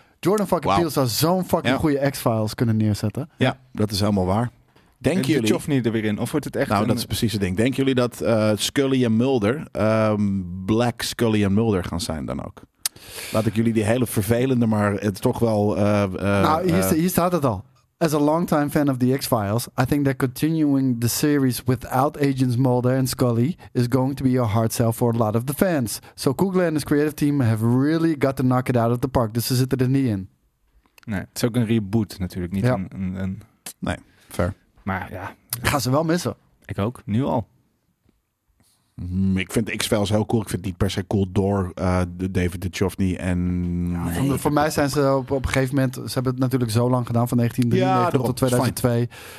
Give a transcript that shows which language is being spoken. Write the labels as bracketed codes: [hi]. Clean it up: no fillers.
[nl] Jordan fucking Peele zou zo'n fucking goede X-Files kunnen neerzetten. Ja, dat is helemaal waar. Denk en jullie? Duchovny er weer in, of wordt het echt? Nou, dat is precies het ding. Denken jullie dat Scully en Mulder Black Scully en Mulder gaan zijn dan ook? Laat ik jullie die hele vervelende, maar het toch wel. Hier staat het al. [en] As a longtime fan of the X-Files, I think that continuing the series without Agents Mulder and Scully is going to be a hard sell for a lot of the fans. So Coogler and his creative team have really got to knock it out of the park. [nl] Dus ze zitten er niet in. Nee, het is ook een reboot natuurlijk. Niet een... Nee, fair. Maar ja. Gaan ze wel missen. Ik ook, nu al. Ik vind X-Files heel cool. Ik vind het niet per se cool door David Duchovny. En ja, nee, voor mij zijn ze op een gegeven moment... Ze hebben het natuurlijk zo lang gedaan, van 1993 tot 2002.